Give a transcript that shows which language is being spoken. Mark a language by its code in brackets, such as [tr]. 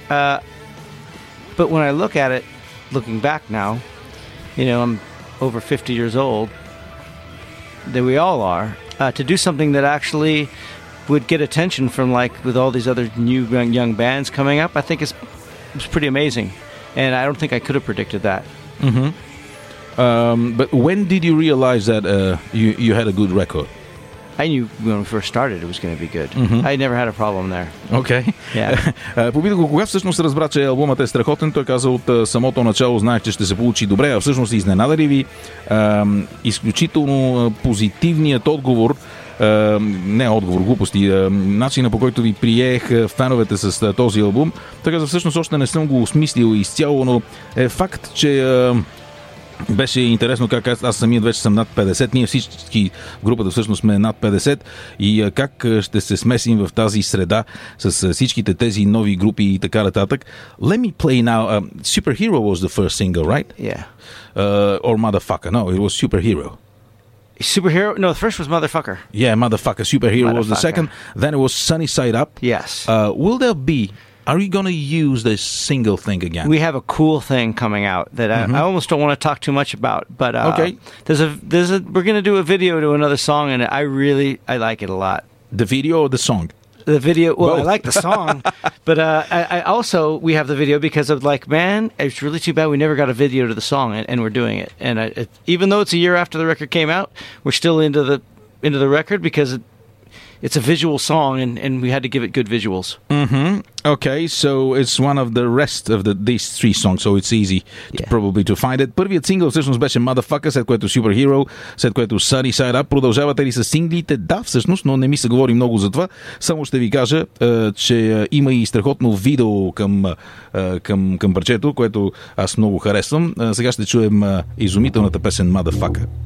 [en] But when I look at it, looking back now, you know, I'm over 50 years old, that we all are, to do something that actually would get attention from, like, with all these other new young bands coming up, I think it's pretty amazing. And I don't think I could have predicted that. Mm-hmm. But when did you realize that you had a good record? I knew when we first started it was going to be good. Mm-hmm. I never had a problem there. Okay. Yeah. [bg] Попитах го кога всъщност разбра, че албумът е страхотен. Той каза, от самото начало знаех, че ще се получи добре. А всъщност изненада ли ви изключително позитивният отговор, не отговор, глупости, начина по който ви приех феновете с този албум? Той каза, всъщност още не съм го осмислил изцяло, но е факт, че беше интересно как аз самият вече съм над 50, ние всички групата всъщност сме над 50 и как ще се смесим в тази среда с всичките тези нови групи и така нататък. [en] Let me play now. Superhero was the first single, right? Yeah. Or Motherfucker. No, it was Superhero. Superhero? No, the first was Motherfucker. Yeah, Motherfucker. Superhero was the second. Then it was Sunny Side Up. Yes. Will there be... Are you going to use this single thing again? We have a cool thing coming out that I almost don't want to talk too much about. But okay. There's a we're going to do a video to another song, and I like it a lot. The video or the song? The video. Well, both. I like the song, but I also we have the video because of like, man, it's really too bad we never got a video to the song, and we're doing it. And even though it's a year after the record came out, we're still into the record because it's a visual song, and we had to give it good visuals. Mm-hmm. Okay, so it's one of the rest of these three songs, so it's easy probably to find it. [bg] Първият сингъл всъщност беше Motherfucker, след което Superhero, след което Sunny Side Up. Продължавате ли с синглите? Да, всъщност, но не ми се говори много за това. Само ще ви кажа, че има и страхотно видео към парчето, което аз много харесвам. Сега ще чуем изумителната песен Motherfucker.